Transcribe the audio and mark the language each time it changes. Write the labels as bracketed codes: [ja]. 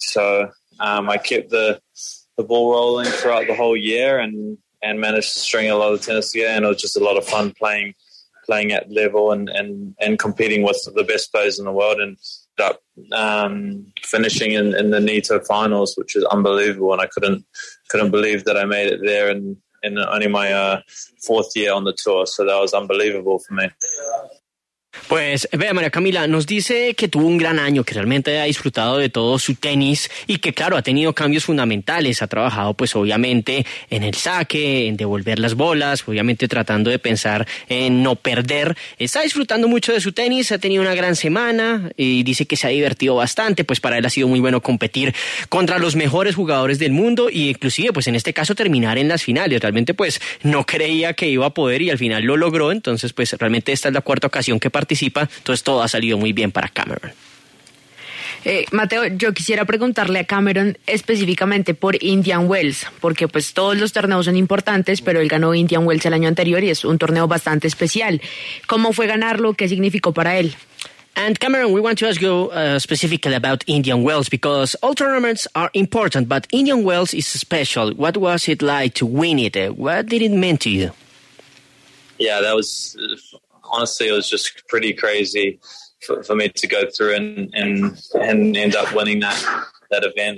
[en] So I kept the ball rolling throughout the whole year and managed to string a lot of tennis together, and it was just a lot of fun playing at level and competing with the best players in the world, and ended up finishing in the NITO finals, which is unbelievable, and I couldn't believe that I made it there in only my fourth year on the tour, so that was unbelievable for me. [es] Pues, vea, María Camila, nos dice que tuvo un gran año, que realmente ha disfrutado de todo su tenis y que, claro, ha tenido cambios fundamentales. Ha trabajado, pues, obviamente, en el saque, en devolver las bolas, obviamente tratando de pensar en no perder. Está disfrutando mucho de su tenis, ha tenido una gran semana y dice que se ha divertido bastante. Pues, para él ha sido muy bueno competir contra los mejores jugadores del mundo e inclusive, pues, en este caso, terminar en las finales. Realmente, pues, no creía que iba a poder y al final lo logró. Entonces, pues, realmente esta es la cuarta ocasión que participa, entonces todo ha salido muy bien para Cameron. Mateo, yo quisiera preguntarle a Cameron específicamente por Indian Wells, porque pues todos los torneos son importantes, pero él ganó Indian Wells el año anterior y es un torneo bastante especial. ¿Cómo fue ganarlo? ¿Qué significó para él? [en] And Cameron, we want to ask you specifically about Indian Wells, because all tournaments are important, but Indian Wells is special. What was it like to win it? What did it mean to you? Yeah, that was honestly, it was just pretty crazy for me to go through and end up winning that event.